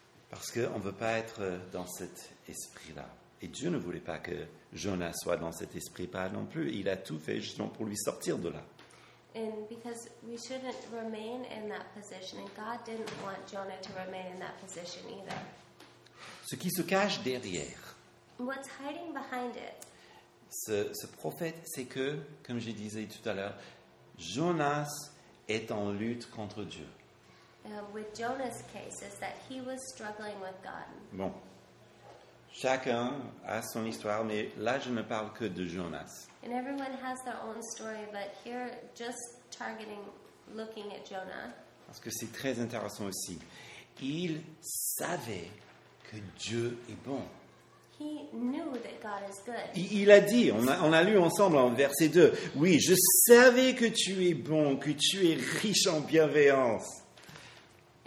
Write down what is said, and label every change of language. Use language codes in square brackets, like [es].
[fr] Parce qu'on ne veut pas être dans cet esprit-là. Et Dieu ne voulait pas que Jonas soit dans cet esprit pas non plus. Il a tout fait justement pour lui sortir de là. [en] And because we shouldn't remain in that position, and God didn't want Jonah to remain in that position either. [fr] Ce qui se cache derrière. [en] What's hiding behind it? [fr] Ce prophète, c'est que, comme je disais tout à l'heure, Jonas est en lutte contre Dieu. [en] With Jonah's case, is that he was struggling with God. [fr] Bon, chacun a son histoire, mais là je ne parle que de Jonas. [en] And everyone has their own story, but here, just targeting, looking at Jonah. [fr] Parce que c'est très intéressant aussi. Il savait que Dieu est bon. [en] He knew that God is good. [fr] Il a dit, on a lu ensemble en verset 2, « Oui, je savais que tu es bon, que tu es riche en bienveillance. »